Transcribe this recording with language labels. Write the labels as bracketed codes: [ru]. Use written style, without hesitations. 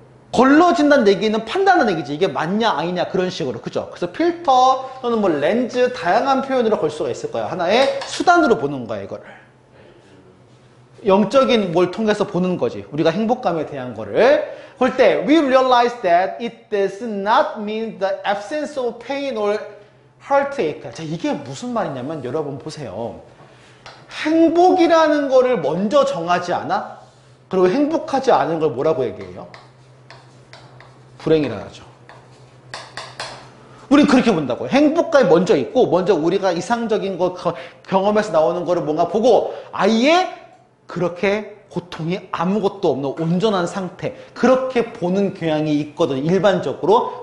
[ko] 걸러진다는 얘기는 판단하는 얘기지. 이게 맞냐 아니냐 그런 식으로. 그죠? 그래서 필터 또는 뭐 렌즈 다양한 표현으로 걸 수가 있을 거예요. 하나의 수단으로 보는 거야 이거를. 영적인 뭘 통해서 보는 거지. 우리가 행복감에 대한 거를. 그럴 때 [en] we realize that it does not mean the absence of pain or heartache. [ko] 자, 이게 무슨 말이냐면 여러분 보세요. 행복이라는 거를 먼저 정하지 않아? 그리고 행복하지 않은 걸 뭐라고 얘기해요? 불행이라 하죠. 우린 그렇게 본다고요. 행복감이 먼저 있고 먼저 우리가 이상적인 거 경험에서 나오는 거를 뭔가 보고 아예 그렇게 고통이 아무것도 없는 온전한 상태 그렇게 보는 경향이 있거든 일반적으로.